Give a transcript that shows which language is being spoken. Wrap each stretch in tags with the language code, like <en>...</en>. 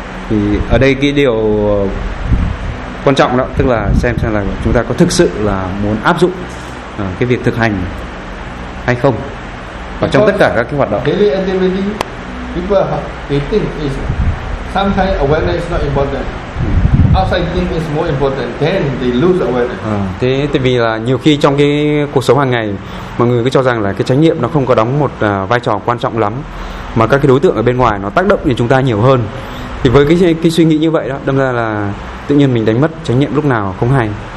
<vi>Thì ở đây cái điều quan trọng đó tức là xem là chúng ta có thực sự là muốn áp dụng cái việc thực hành hay không và trong tất cả các cái hoạt động.</vi> <en>Daily activity, people they think is sometimes awareness not important. Outside thing is more important, then they lose awareness.</en> <vi>Thế tại vì là nhiều khi trong cái cuộc sống hàng ngày mọi người cứ cho rằng là cái chánh niệm nó không có đóng một vai trò quan trọng lắm, mà các cái đối tượng ở bên ngoài nó tác động đến chúng ta nhiều hơn. Thì với cái suy nghĩ như vậy đó, đâm ra là tự nhiên mình đánh mất chánh niệm lúc nào không hay.</vi>